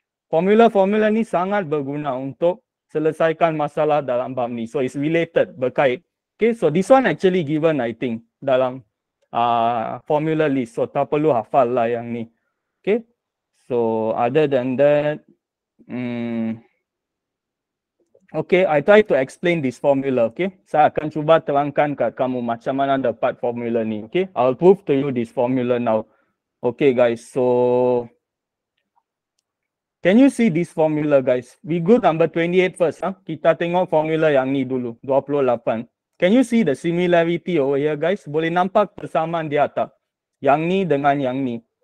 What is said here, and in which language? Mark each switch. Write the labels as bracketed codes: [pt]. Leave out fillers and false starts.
[ms] Formula-formula ni sangat berguna untuk selesaikan masalah dalam bab ni. [en] So it's related, [ms] berkait. [en] Okay, so this one actually given I think dalam formula list. [ms] So tak perlu hafal lah yang ni. [en] Okay, so other than that, okay, I try to explain this formula. [ms] Okay, saya akan cuba terangkan kat kamu macam mana dapat formula ni. [en] Okay, I'll prove to you this formula now. Okay guys, so can you see this formula guys? We go number 28 first. [ms] Kita tengok formula yang ni dulu. 28. [en] Can you see the similarity over here guys? [ms] Boleh nampak persamaan di atas. Yang ni dengan yang ni.